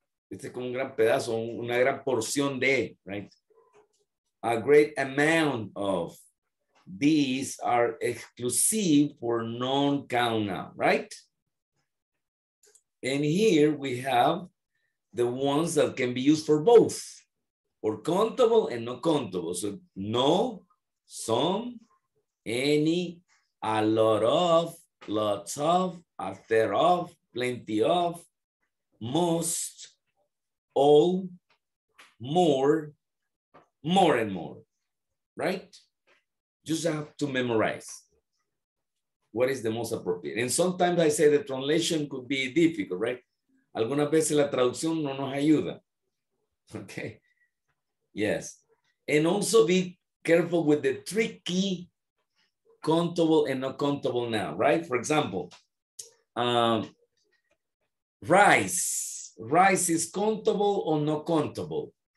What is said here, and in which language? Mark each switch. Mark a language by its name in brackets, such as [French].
[Spanish] Este es como un gran pedazo, una gran porción de, right? [English] A great amount of. These are exclusive for non-count noun, right? And here we have the ones that can be used for both, or countable and not countable. So no, some, any, a lot of, lots of, a fair of, plenty of, most, all, more, more and more, right? Just have to memorize what is the most appropriate. And sometimes I say the translation could be difficult, right? [Spanish] Algunas veces la traducción no nos ayuda, okay? [English] Yes, and also be careful with the tricky countable and not countable noun, right? For example, rice. Rice is countable or not countable?